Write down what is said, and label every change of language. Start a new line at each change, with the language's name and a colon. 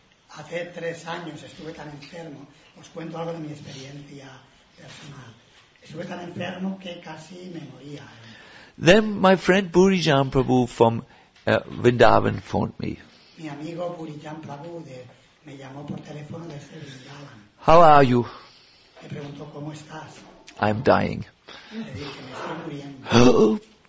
Spanish: Hace 3 años estuve tan enfermo. Os cuento algo de mi experiencia personal. Estuve tan enfermo que casi me moría.
English: Then my friend Burijan Prabhu from Vrindavan phoned me.
Spanish: Mi amigo Burijan Prabhu me llamó por teléfono desde Vrindavan.
English: How are you?
Spanish: Me preguntó, ¿cómo estás?
English: I'm dying.
Spanish: Le dije, me estoy muriendo.